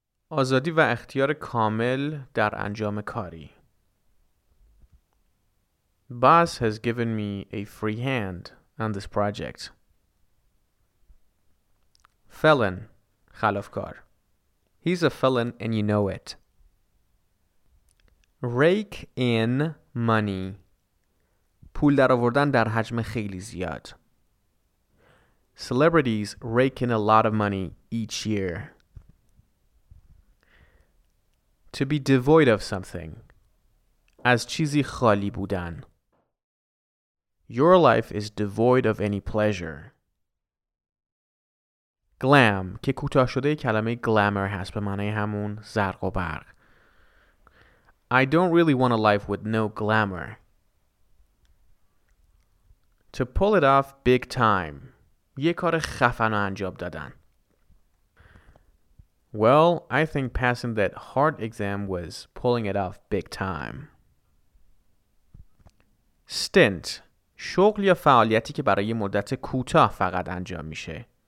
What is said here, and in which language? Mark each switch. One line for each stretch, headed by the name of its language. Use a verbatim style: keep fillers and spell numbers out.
Persian: آزادی و اختیار کامل در انجام کاری.
English: Boss has given me a free hand on this project. Felon, خلافکار. He's a felon and you know it. Rake in money.
Persian: پول در آوردن در حجم خیلی زیاد.
English: Celebrities rake in a lot of money each year. To be devoid of something.
Persian: از چیزی خالی بودن.
English: Your life is devoid of any pleasure.
Persian: گلم که کوتاه شده کلمه glamour هست به معنی همون زرق و برق.
English: I don't really want a life with no glamour. To pull it off big time.
Persian: یه کار خفن رو انجام دادن.
English: Well, I think passing that hard exam was pulling it off big time. Stint.
Persian: شغل یا فعالیتی که برای مدت کوتاه فقط انجام میشه.